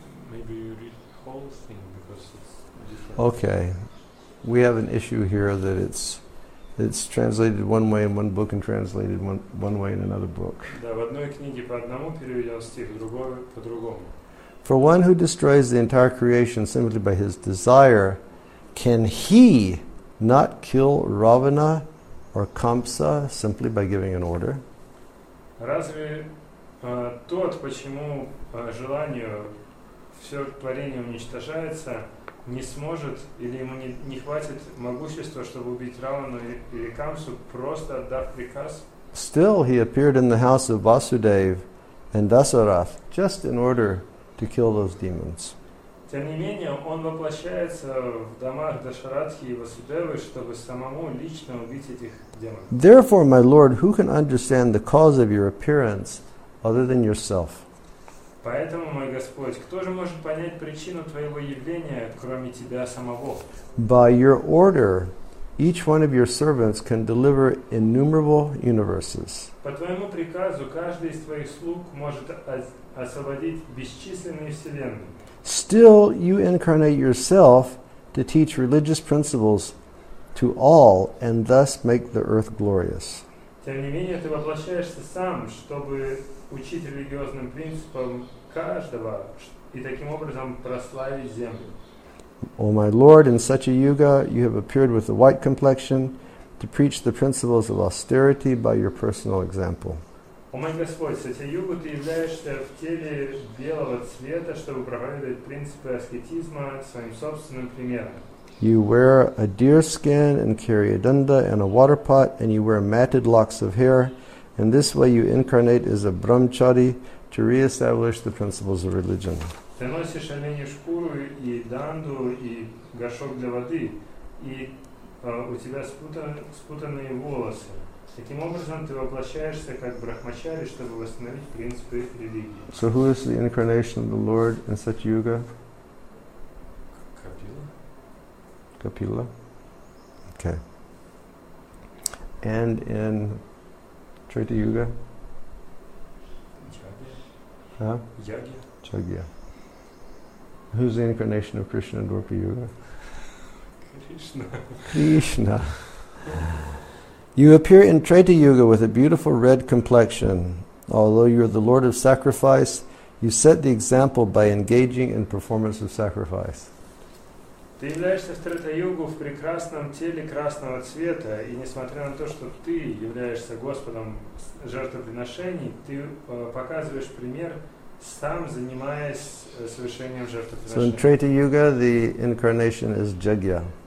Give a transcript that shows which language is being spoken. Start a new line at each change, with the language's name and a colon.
English: Maybe you read the whole thing because it's different. Okay, we have an issue here that it's translated one way in one book and translated one way in another book.
Russian: Да, в одной книге по одному переведен стих, в другой по другому.
English: For one who destroys the entire creation simply by his desire, can he not kill Ravana or Kamsa simply by giving an order?
Russian: Разве тот, почему по желанию все творение уничтожается, не сможет или ему не хватит могущества, чтобы убить Равану или Камсу, просто отдав приказ?
English: Still, he appeared in the house of Vasudev and Dasarath just in order to kill those demons.
Russian: Тем не менее, он воплощается в домах Дашарадхи и Васудевы, чтобы самому лично убить этих демонов.
English: Therefore, my lord, who can understand the cause of your appearance other than yourself?
Russian: Поэтому, мой Господь, кто же может понять причину твоего явления, кроме тебя самого?
English: By your order, Each one of your servants can deliver innumerable universes.
Russian: По твоему приказу каждый из твоих слуг может освободить бесчисленные вселенные.
English: Still, you incarnate yourself to teach religious principles to all and thus make the earth glorious.
Russian: Тем не менее, ты воплощаешься сам, чтобы учить религиозным принципам каждого и таким образом прославить землю.
English: O my Lord, in such a yuga, you have appeared with a white complexion to preach the principles of austerity by your personal example.
Russian: О мой Господь, с этой югой ты являешься в теле белого цвета, чтобы проповедовать принципы аскетизма своим собственным примером.
English: You wear a deer skin and carry a danda and a water pot, and you wear matted locks of hair. In this way, you incarnate as a brahmachari to reestablish the principles of religion.
Russian: Ты носишь оленью шкуру и данду и горшок для воды, и у тебя спутанные волосы. Таким образом, ты воплощаешься как брахмачари, чтобы восстановить принципы религии.
English: So who is the incarnation of the Lord in Satyuga? Kapila. Kapila? Okay. And in Treta Yuga? Yagya. Huh? Yagya. Who's the incarnation of Krishna in Dwarpa Yuga? Krishna. Krishna. You appear in Treta Yuga with a beautiful red complexion. Although you're the Lord of Sacrifice, you set the example by engaging in performance of sacrifice.
Russian: Ты являешься в Трета Югу в прекрасном теле красного цвета, и несмотря на то, что ты являешься Господом жертвоприношений, ты показываешь пример, сам занимаясь совершением жертвоприношений.
English: So in Treta Yuga, the incarnation is Jagya.